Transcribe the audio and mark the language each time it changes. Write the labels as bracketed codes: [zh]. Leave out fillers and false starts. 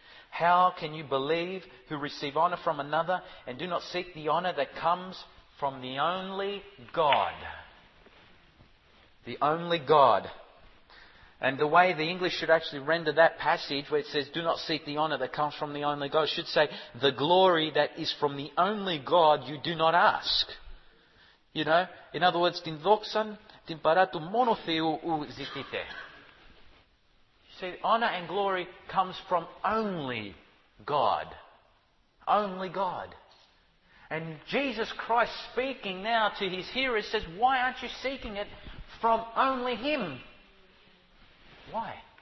[en] How can you believe who receive honor from another and do not seek the honor that comes from the only God? The only God. And the way the English should actually render that passage where it says, do not seek the honor that comes from the only God, should say, the glory that is from the only God you do not ask. You know, in other words, [el] την δόξαν την παρά του μόνο Θεού ου ζητείτε. [en] See, honor and glory comes from only God. Only God. And Jesus Christ speaking now to his hearers says, why aren't you seeking it from only him? Why?